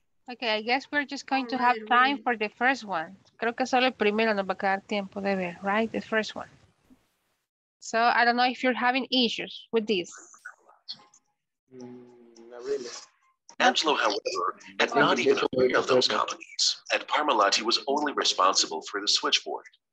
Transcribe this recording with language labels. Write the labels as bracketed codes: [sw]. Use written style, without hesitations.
[en] Okay, I guess we're just going to have time for the first one. [es] Creo que solo el primero nos va a quedar tiempo de ver, right? [en] The first one. So I don't know if you're having issues with this. Not really. Angelo, however, had not even heard of those companies, and Parmalati was only responsible for the switchboard.